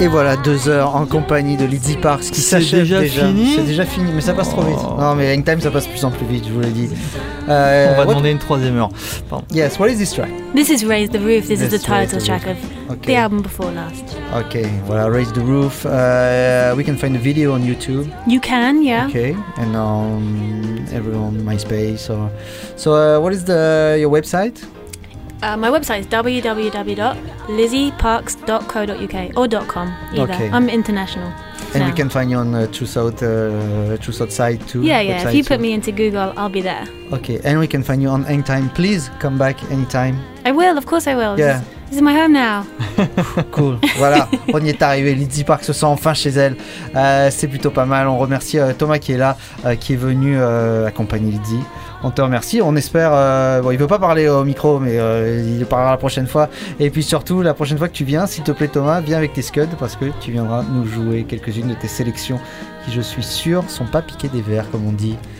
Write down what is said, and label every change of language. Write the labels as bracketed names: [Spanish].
[French] Et voilà, deux heures en compagnie de Lizzie Parks qui s'achève déjà. C'est déjà fini, mais ça passe trop vite. Non, mais Hang Time, ça passe plus en plus vite, je vous l'ai dit. On va demander une troisième heure. Pardon. [English] Yes, what is this track? This is Raise the Roof. This is the title track of the album Before Last. Okay, voilà, Raise the Roof. We can find the video on YouTube. You can, yeah. Okay, and everyone on MySpace. What is your website? My website is www.lizzieparks.co.uk or .com either. Okay. I'm international. And we can find you on True South site too. Yeah. If you put me into Google, I'll be there. Okay. And we can find you on Hang Time. Please come back anytime. I will. Of course I will. Yeah. This is my home now. [French] Cool. Voilà. On y est arrivé. Lizzie Parks se sent enfin chez elle. C'est plutôt pas mal. On remercie Thomas qui est là, qui est venu accompagner Lizzie. On te remercie. On espère. Il veut pas parler au micro, mais il parlera la prochaine fois. Et puis surtout, la prochaine fois que tu viens, s'il te plaît, Thomas, viens avec tes scuds parce que tu viendras nous jouer quelques-unes de tes sélections qui, je suis sûr, sont pas piquées des verres, comme on dit.